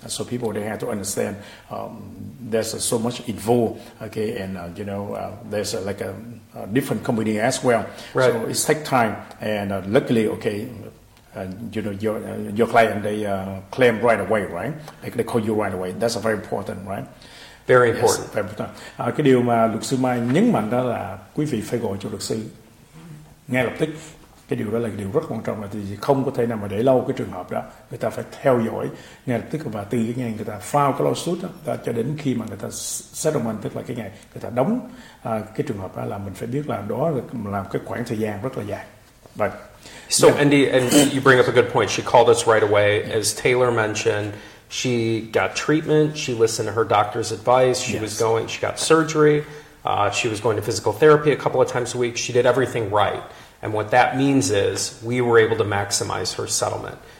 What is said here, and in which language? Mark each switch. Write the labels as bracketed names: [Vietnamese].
[English] So people, they have to understand there's so much involved, okay? And, you know, there's like a different company as well. Right. So it takes time. And luckily, okay, you know, your client, they claim right away, right? Like they call you right away. That's very important, right? Very important. Yes, very important. [Vietnamese] Cái điều mà luật sư Mai nhấn mạnh đó là quý vị phải gọi cho luật sư ngay lập tức. Cái điều đó là cái điều rất quan trọng, là thì không có thể nào mà để lâu cái trường hợp đó. Người ta phải theo dõi ngay lập tức, và từ cái ngày người ta file cái lawsuit đó cho đến khi mà người ta settlement, tức là cái ngày người ta đóng cái trường hợp đó, là mình phải biết là đó là cái khoảng thời gian rất là dài. [English] But, so yeah. Andy, and you bring up a good point. She called us right away. Yeah. As Taylor mentioned, she got treatment. She listened to her doctor's advice. She was going, she got surgery. She was going to physical therapy a couple of times a week. She did everything right. And what that means is we were able to maximize her settlement.